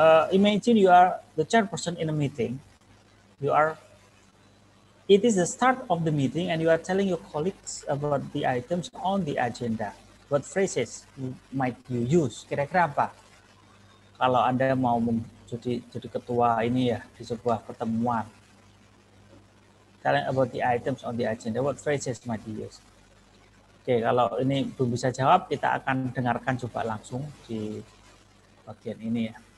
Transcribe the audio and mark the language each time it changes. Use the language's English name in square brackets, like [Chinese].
[English] Imagine you are the chairperson in a meeting. It is the start of the meeting and you are telling your colleagues about the items on the agenda. What phrases might you use? [Indonesian] Kira-kira apa? Kalau Anda mau jadi ketua ini ya di sebuah pertemuan. [English] Telling about the items on the agenda, what phrases might you use? [Indonesian] Oke, kalau ini belum bisa jawab, kita akan dengarkan coba langsung di bagian ini ya.